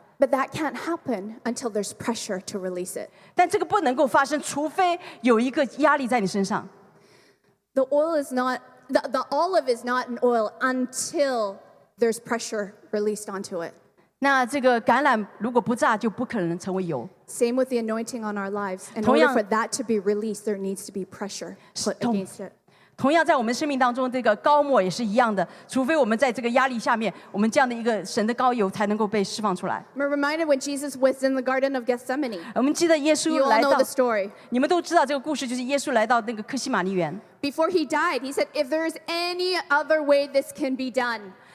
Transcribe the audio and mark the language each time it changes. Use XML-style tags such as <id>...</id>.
<en>But that can't happen until there's pressure to release it.</en> <zh>但这个不能够发生，除非有一个压力在你身上。</zh> <en>The olive is not an oil until there's pressure released onto it.</en> <zh>那这个橄榄如果不榨，就不可能成为油。</zh> <en>Same with the anointing on our lives. In order for that to be released, there needs to be pressure put against it.</en> <zh>同样在我们生命当中，这个膏抹也是一样的。除非我们在这个压力下面，我们这样的一个神的膏油才能够被释放出来。</zh> <en>We're reminded when Jesus was in the Garden of Gethsemane.</en> <zh>我们记得耶稣来到。</zh> <en>You all know the story.</en> <zh>你们都知道这个故事，就是耶稣来到那个克西马尼园。</zh> <en>Before he died, he said, "If there is any other way this can be done."</en>